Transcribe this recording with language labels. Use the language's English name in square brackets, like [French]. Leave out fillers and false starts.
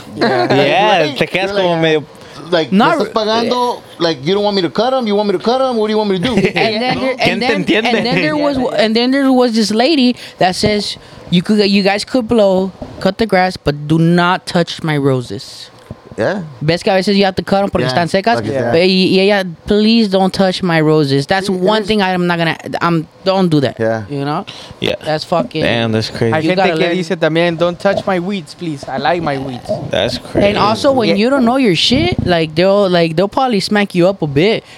[Spanish] Te quedas como medio... [English] Like, not [Spanish] estás pagando, [English] like, you don't want me to cut them, you want me to cut them, what do you want me to do? And then there was this lady that says, you guys could cut the grass, but do not touch my roses. Yeah. [Spanish] Ves que a veces [English] you have to cut them [Spanish] porque están secas. [English] Please don't touch my roses. That's one thing I'm not gonna. Don't do that. Yeah. You know. Yeah. That's fucking. Damn, that's crazy. [Spanish] Hay gente que dice también, [English] don't touch my weeds, please. I like my weeds. That's crazy. And also, when you don't know your shit, they'll probably smack you up a bit.